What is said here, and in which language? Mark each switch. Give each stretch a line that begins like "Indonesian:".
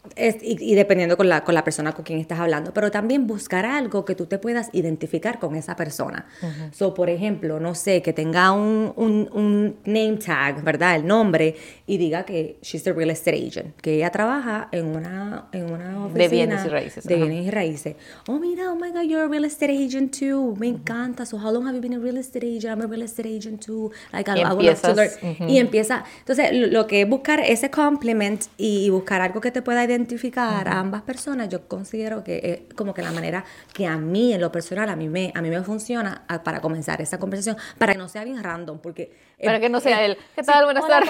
Spanish: Y dependiendo con la persona con quien estás hablando. Pero también buscar algo que tú te puedas identificar con esa persona. Uh-huh. So, por ejemplo, no sé, que tenga un name tag, ¿verdad? El nombre, y diga que
English: she's a real estate agent,
Spanish: que ella trabaja en una oficina de bienes y raíces.
English: Oh, mira, oh my God, you're a real estate agent too.
Spanish: Me encanta.
English: So, how long have you been a real estate agent? I'm a real estate agent too. Like, I would love to learn.
Spanish: Y empieza. Entonces, lo que es buscar ese compliment y buscar algo que te pueda identificar a ambas personas, yo considero que es como que la manera que a mí, en lo personal, a mí me funciona para comenzar esa conversación, para que no sea bien random, porque... Para que no sea él. ¿Qué tal? Sí, buenas tardes.